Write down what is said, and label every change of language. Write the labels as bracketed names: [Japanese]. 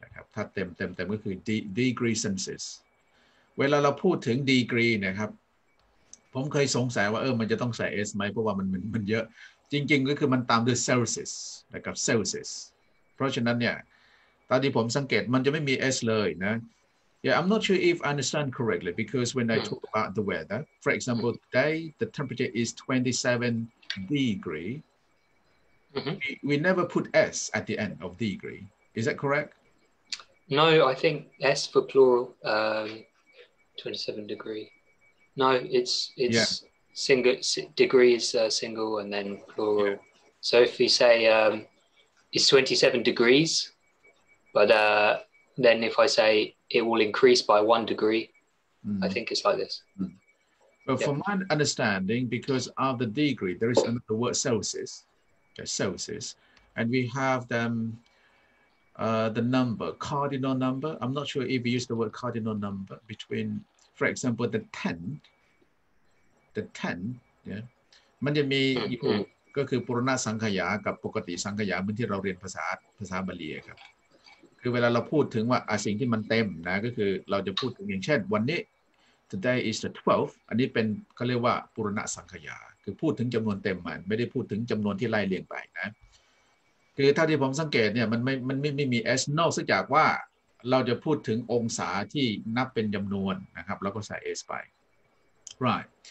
[Thai] ครับ ถ้าเต็มก็คือ degree Celsius. เวลาเราพูดถึง degree นะครับ ผมเคยสงสัยว่ามันจะต้องใส่ S ไหมเพราะว่ามันเยอะ จริงๆก็คือมันตามด้วย Celsius, นะครับ Celsius. เพราะฉะนั้นเนี่ยตอนที่ผมสังเกตมันจะไม่มี S เลยนะ [English] Yeah, I'm not sure if I understand correctly because when I talk about the weather, for example, today the temperature is 27 degree. We never put S at the end of degree. Is that correct? No, I think S for plural, 27 degree. No, it's single, degree is single and then plural. Yeah. So if we say it's 27 degrees, but then if I say it will increase by 1 degree, mm. I think it's like this. Mm. Well, yeah. From my understanding, because of the degree, there is another word, Celsius. Okay, Celsius. And we have them, the number, cardinal number. I'm not sure if we use the word cardinal number between, for example, the 10. The 10, yeah. [Thai] มันจะมีอยู่ก็คือปุรณสังขยากับปกติสังขยาเหมือนที่เราเรียนภาษาบาลีครับคือเวลาเราพูดถึงว่าสิ่งที่มันเต็มนะก็คือเราจะพูดถึงอย่างเช่นวันนี้ [English] today is the 12th [Thai] อันนี้เป็นเขาเรียกว่าปุรณสังขยาคือพูดถึงจำนวนเต็มมันไม่ได้พูดถึงจำนวนที่ไล่เรียงไปนะคือเท่าที่ผมสังเกตเนี่ยมันไม่มี s นอกจากว่าเราจะพูดถึงองศาที่นับเป็นจำนวนนะครับแล้วก็ใส่ s ไป [English] right